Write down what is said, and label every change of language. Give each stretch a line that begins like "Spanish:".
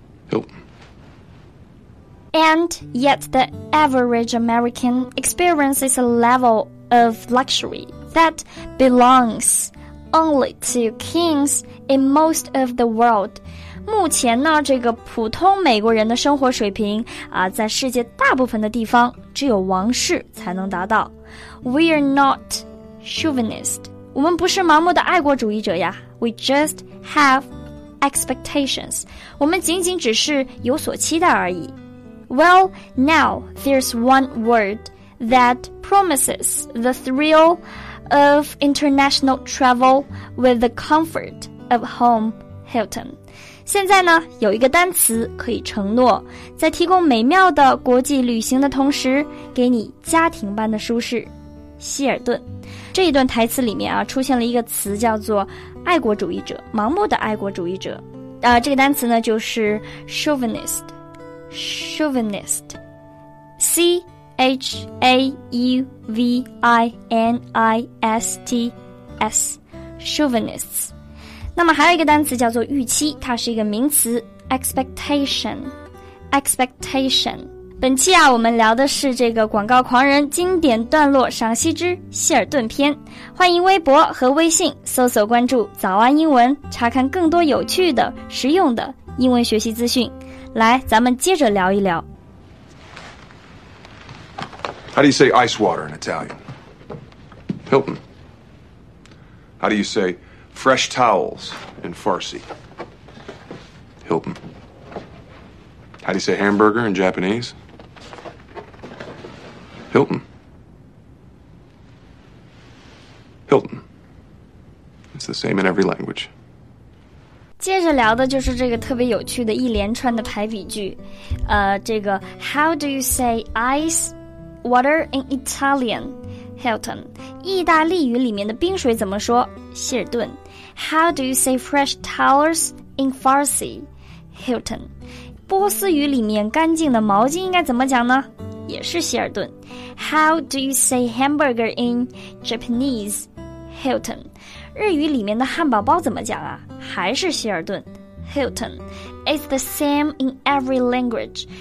English: Hilton. And yet the average American experiences a level of luxury that belongs only to kings in most of the world.
Chinese: 目前呢，这个普通美国人的生活水平啊，在世界大部分的地方只有王室才能达到。
English: We are not chauvinist，
Chinese: 我们不是盲目的爱国主义者呀。
English: We just have expectations，
Chinese: 我们仅仅只是有所期待而已。
English: Well, now there's one word that promises the thrill of international travel with the comfort of home, Hilton.
Chinese: 现在呢，有一个单词可以承诺，在提供美妙的国际旅行的同时，给你家庭般的舒适。希尔顿，这一段台词里面啊，出现了一个词叫做爱国主义者，盲目的爱国主义者。这个单词呢就是 chauvinists。那么还有一个单词叫做预期，它是一个名词 expectation。本期啊，我们聊的是这个广告狂人经典段落赏析之希尔顿篇。欢迎微博和微信搜索关注早安英文，查看更多有趣的、实用的英文学习资讯。来，咱们接着聊一聊。
English: How do you say ice water in Italian? Hilton. How do you say? Fresh towels in Farsi. Hilton. How do you say hamburger in Japanese? Hilton. Hilton. It's the same in every language.
Chinese: 接着聊的就是这个特别有趣的一连串的排比句。这个
English: How do you say ice water in Italian? Hilton.
Chinese: 意大利语里面的冰水怎么说？希尔顿。
English: How do you say fresh towels in Farsi? Hilton.
Chinese: 波斯语里面干净的毛巾应该怎么讲呢？也是希尔顿。
English: How do you say hamburger in Japanese? Hilton.
Chinese: 日语里面的汉堡包怎么讲啊？还是希尔顿。
English: Hilton. It's the same in every language.